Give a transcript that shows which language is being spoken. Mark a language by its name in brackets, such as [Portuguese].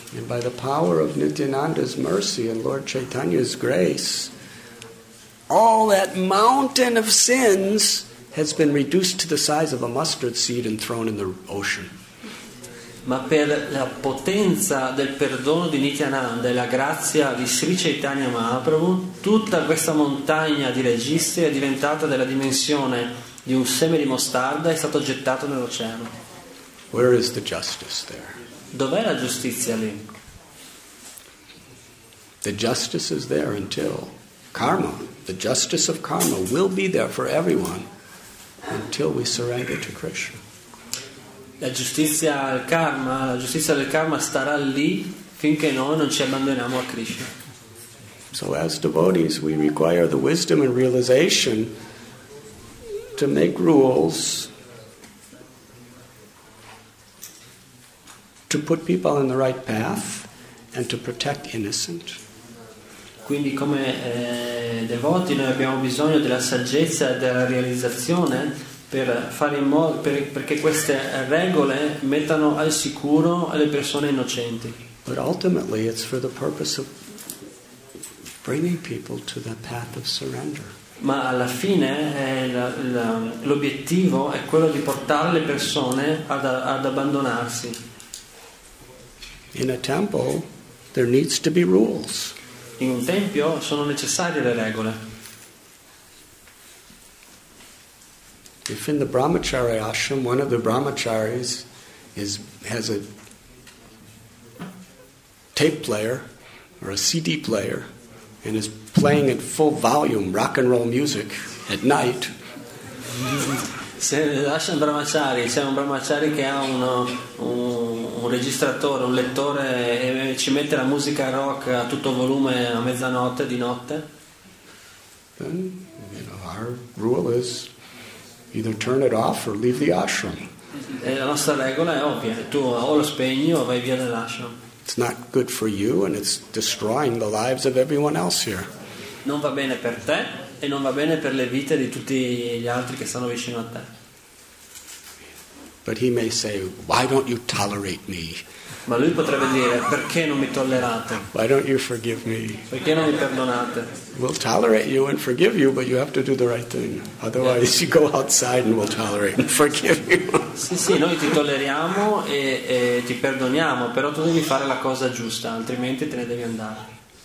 [English] And by the power of Nityananda's mercy and Lord Chaitanya's grace, all that mountain of sins has been reduced to the size of a mustard seed and thrown in the ocean. [Italian] Ma per la potenza del perdono di Nityananda e la grazia di Sri Chaitanya Mahaprabhu, tutta questa montagna di registri è diventata della dimensione di un seme di mostarda e è stato gettato nell'oceano. [English] Where is the justice there? [Italian] Dov'è la giustizia lì? [English] The justice is there until karma, the justice of karma will be there for everyone until we surrender to Krishna. [Italian] La giustizia al karma, la giustizia del karma starà lì finché noi non ci abbandoniamo a Krishna. [English] So as devotees we require the wisdom and realization to make rules to put people in the right path and to protect innocent. [Italian] Quindi come devoti noi abbiamo bisogno della saggezza e della realizzazione per fare in modo perché queste regole mettano al sicuro le persone innocenti. [English] But ultimately it's for the purpose of bringing people to the path of surrender. [Italian] Ma alla fine l'obiettivo è quello di portare le persone ad abbandonarsi. [English] In a temple there needs to be rules. [Italian] In un tempio sono necessarie le regole. [English] If in the brahmachari ashram one of the brahmacharis has a tape player or a CD player and is playing at full volume rock and roll music at night. [Italian] Se l'ashram brahmachari c'è un brahmachari che ha un registratore, un lettore e ci mette la musica rock a tutto volume a mezzanotte di notte. [English] Then, our rule is either turn it off or leave the ashram. [Italian] La nostra regola è ovvia, tu o lo spegni o vai via dall'ashram. [English] It's not good for you and it's destroying the lives of everyone else here. [Italian] Non va bene per te e non va bene per le vite di tutti gli altri che stanno vicino a te. [English] But he may say, "Why don't you tolerate me?" [Italian] Ma lui potrebbe dire, "Perché non mi tollerate?" [English] "Why don't you forgive me?" [Italian] "Perché non mi perdonate?" [English] "We'll tolerate you and forgive you, but you have to do the right thing. Otherwise, yeah, you go outside and we'll tolerate and forgive you." [Italian] Sì, sì, noi ti tolleriamo e ti perdoniamo, però tu devi fare la cosa giusta, altrimenti te ne devi andare.